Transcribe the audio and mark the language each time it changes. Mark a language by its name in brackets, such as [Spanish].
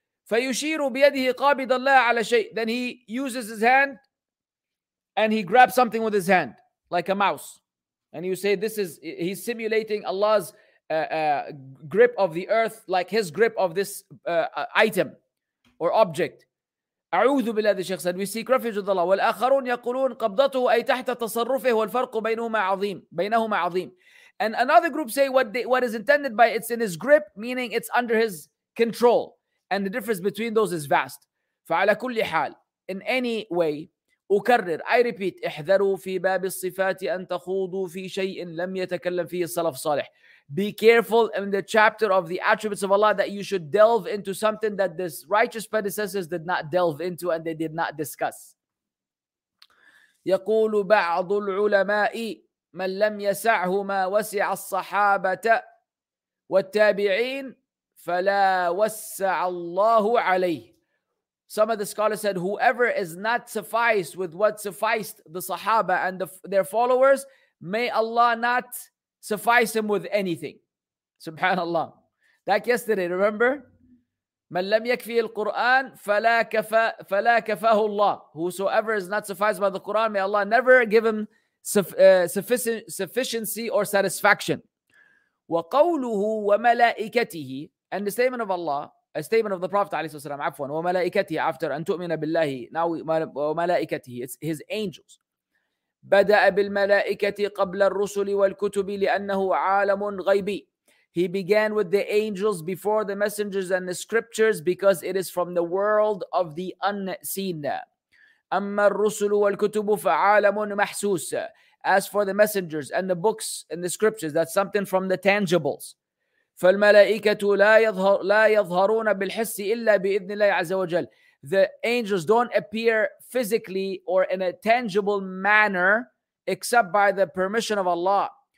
[Arabic] فيشير بيده قابض الله على شيء. [English] Then he uses his hand and he grabs something with his hand like a mouse, and you say this is, he's simulating Allah's grip of the earth like his grip of this item or object. [Arabic] أعوذ بالله الشيخ سيد. [English] We seek refuge with Allah. [Arabic] والآخرون يقولون قبضته أي تحت تصرفه والفرق بينهما عظيم. بينهما عظيم. [English] And another group say what is intended by it's in his grip, meaning it's under his control. And the difference between those is vast. [Arabic] فعلى كل حال, [English] in any way, [Arabic] أكرر, [English] I repeat, [Arabic] احذروا في باب الصفات أن تخوضوا في شيء لم يتكلم فيه السلف الصالح. [English] Be careful in the chapter of the attributes of Allah that you should delve into something that this righteous predecessors did not delve into and they did not discuss. [Arabic] يقول بعض العلماء من لم يسعه ما وسع الصحابة والتابعين فلا وسع الله عليه. [English] Some of the scholars said, whoever is not sufficed with what sufficed the Sahaba and their followers, may Allah not suffice him with anything. [Arabic] Subhanallah. [English] Like yesterday, remember? [Arabic] مَنْ لَمْ يَكْفِي الْقُرْآنِ فَلَا كَفَاهُ اللَّهِ. [English] Whosoever is not sufficed by the Quran, may Allah never give him sufficiency or satisfaction. [Arabic] وَقَوْلُهُ وَمَلَائِكَتِهِ, [English] and the statement of Allah, a statement of the Prophet عليه الصلاة والسلام, [Arabic] عفواً, وَمَلَائِكَتِهِ, [English] after [Arabic] أن تؤمن بالله, [English] now وَمَلَائِكَتِهِ, it's his angels. [Arabic] بدأ بالملائكة قبل الرسل والكتب لأنه عالم غيبي. [English] He began with the angels before the messengers and the scriptures because it is from the world of the unseen. [Arabic] أما الرسل والكتب فعالم محسوس. [English] As for the messengers and the books and the scriptures, that's something from the tangibles. [Arabic] فالملائكة لا يظهرون بالحس إلا بإذن الله عز وجل. [English] The angels don't appear physically or in a tangible manner except by the permission of Allah.